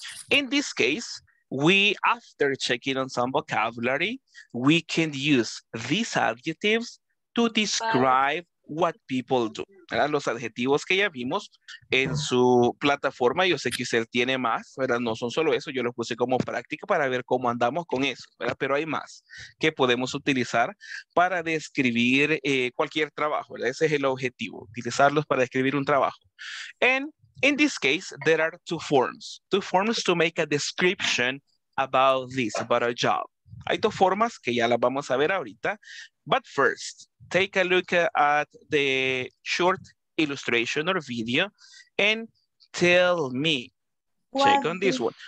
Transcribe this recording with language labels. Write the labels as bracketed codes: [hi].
[en] In this case, after checking on some vocabulary, we can use these adjectives to describe what people do. [es] ¿Verdad? Los adjetivos que ya vimos en su plataforma, yo sé que usted tiene más, ¿verdad? No son solo eso, yo los puse como práctica para ver cómo andamos con eso, ¿verdad? Pero hay más que podemos utilizar para describir cualquier trabajo, ¿verdad? Ese es el objetivo, utilizarlos para describir un trabajo. [en] In this case, there are two forms to make a description about this, about a job. [es] Hay dos formas que ya las vamos a ver ahorita. [en] But first, take a look at the short illustration or video and tell me, check on this one.